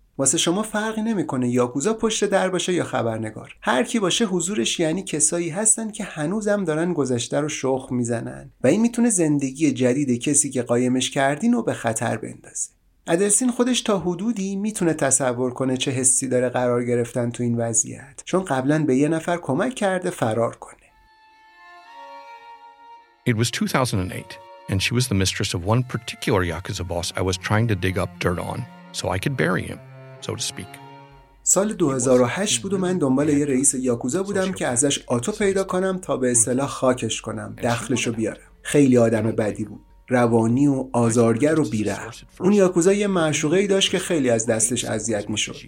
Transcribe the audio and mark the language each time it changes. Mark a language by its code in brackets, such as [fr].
[fa] واسه شما فرقی نمیکنه یاکوزا پشت در باشه یا خبرنگار، هر کی باشه حضورش یعنی کسایی هستن که هنوزم دارن گذشته رو شخ میزنن و این میتونه زندگی جدید کسی که قایمش کردین رو به خطر بندازه. ادلسین خودش تا حدودی میتونه تصور کنه چه حسی داره قرار گرفتن تو این وضعیت، چون قبلا به یه نفر کمک کرده فرار کنه. [en] It was 2008 and she was the mistress of one particular yakuza boss I was trying to dig up dirt on so I could bury him. So to speak. [fa] سال 2008 بود و من دنبال یه رئیس یاکوزا بودم که ازش آتو پیدا کنم تا به اصطلاح خاکش کنم، دخلشو بیارم. خیلی آدم بدی بود، روانی و آزارگر و بی‌رحم. اون یاکوزا یه معشوقه‌ای داشت که خیلی از دستش اذیت می‌شد.